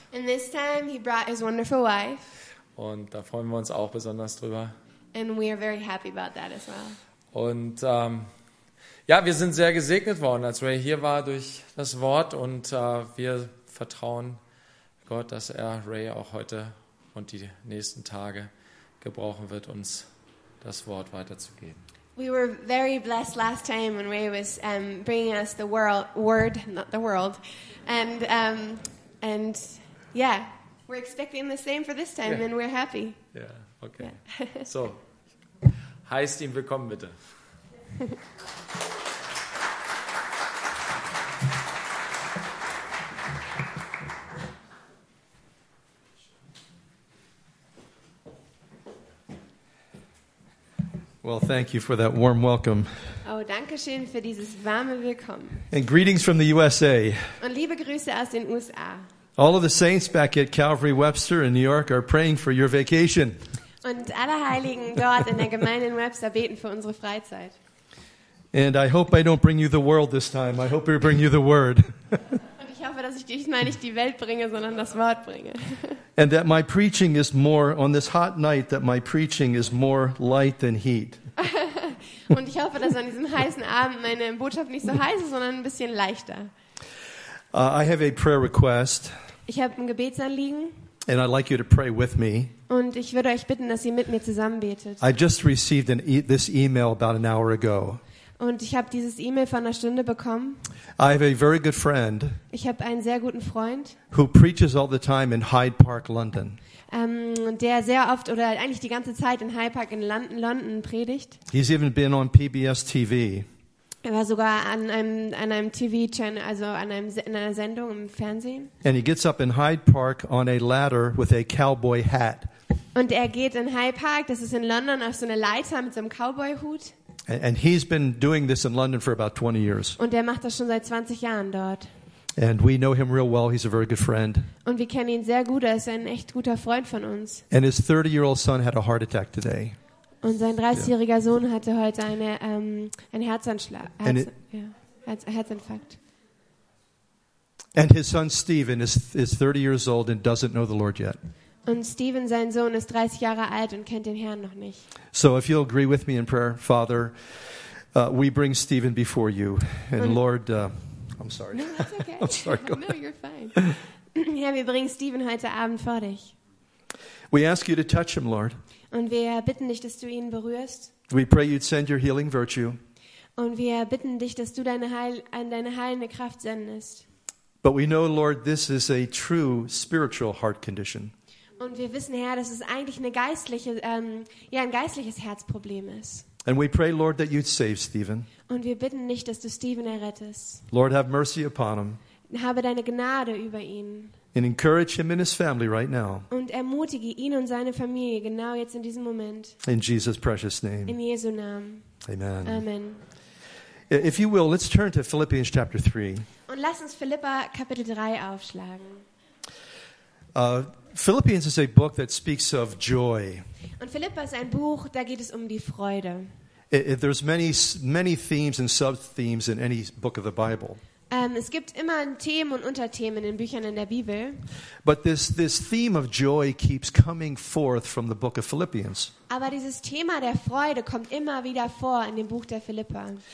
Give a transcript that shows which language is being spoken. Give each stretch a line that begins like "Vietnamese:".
English: And this time he brought his wonderful wife.
German: Und da freuen wir uns auch besonders drüber.
English: And we are very happy about that as well.
German: Und ja, wir sind sehr gesegnet worden, als Ray hier war, durch das Wort, und wir vertrauen Gott, dass er Ray auch heute und die nächsten Tage gebrauchen wird, uns das Wort weiterzugeben.
English: We were very blessed last time when Ray was bringing us the word, not the world, and yeah, we're expecting the same for this time, yeah. And we're happy. Yeah, okay. Yeah.
German: So, heißt ihn willkommen bitte.
English: Well, thank you for that warm welcome.
German: Oh, danke schön für dieses warme Willkommen.
English: And greetings from the USA.
German: Und liebe Grüße aus den USA.
English: All of the saints back at Calvary Webster in New York are praying for your vacation.
German: Und alle Heiligen dort in der Gemeinde in Webster beten für unsere Freizeit.
English: And I hope I don't bring you the world this time. I hope I bring you the word.
German: Und ich hoffe, dass ich diesmal nicht die Welt bringe, sondern das Wort bringe.
English: And that my preaching is more on this hot night, that my preaching is more light than heat.
German: Und ich hoffe, dass an diesem heißen Abend meine Botschaft nicht so heiß ist, sondern ein bisschen leichter.
English: I have a prayer request.
German: Ich habe ein Gebetsanliegen.
English: And I'd like you to pray with me.
German: Und ich würde euch bitten, dass ihr mit mir zusammen betet.
English: I just received this email about an hour ago.
German: Und ich habe dieses E-Mail vor einer Stunde bekommen.
English: I have a very good friend.
German: Ich habe einen sehr guten Freund.
English: Who preaches all the time in Hyde Park, London.
German: Der sehr oft oder eigentlich die ganze Zeit in Hyde Park in London predigt.
English: He's even been on PBS TV.
German: Er war sogar an einem TV Channel, also in einer Sendung im Fernsehen.
English: And he gets up in Hyde Park on a ladder with a cowboy hat.
German: Und er geht in Hyde Park, das ist in London, auf so eine Leiter mit so einem Cowboyhut.
English: And he's been doing this in London for about 20 years.
German: Und er macht das schon seit 20 Jahren dort.
English: And we know him real well. He's a very good friend.
German: Und wir kennen ihn sehr gut. Er ist ein echt guter Freund von uns.
English: And his 30-year-old son had a heart attack today.
German: Und sein 30-jähriger Sohn hatte heute einen Herzinfarkt.
English: And his son Stephen is 30 years old and doesn't know the Lord yet.
German: Und Stephen, sein Sohn, ist 30 Jahre alt und kennt den Herrn noch nicht.
English: So, if you'll agree with me in prayer, Father, we bring Stephen before you. And Lord, I'm sorry. No, that's okay. I'm sorry. No, you're fine.
German: Herr, wir bringen Stephen heute Abend vor dich.
English: We ask you to touch him, Lord.
German: Und wir bitten dich, dass du ihn berührst.
English: We pray you'd send your healing virtue.
German: Und wir bitten dich, dass du deine heilende Kraft sendest.
English: But we know, Lord, this is a true spiritual heart condition.
German: Und wir wissen, Herr, dass es eigentlich eine geistliche, ein geistliches Herzproblem ist.
English: And we pray, Lord, that you'd save Stephen.
German: Und wir bitten nicht, dass du Stephen errettest.
English: Lord, have mercy upon him.
German: Habe deine Gnade über ihn.
English: And encourage him and his family right now.
German: Und ermutige ihn und seine Familie genau jetzt in diesem Moment.
English: In Jesus' precious name.
German: In Jesu Namen.
English: Amen.
German: Amen.
English: If you will, let's turn to Philippians chapter 3.
German: Und lass uns Philipper Kapitel 3 aufschlagen.
English: Philippians is a book that speaks of joy.
German: Und Philipper ist ein Buch, da geht es um die Freude.
English: There's many themes and sub-themes in any book of the Bible.
German: Es gibt immer Themen und Unterthemen in den Büchern in der Bibel.
English: But this theme of joy keeps coming forth from the book of Philippians.
German: Aber dieses Thema der Freude kommt immer wieder vor in dem Buch der Philipper.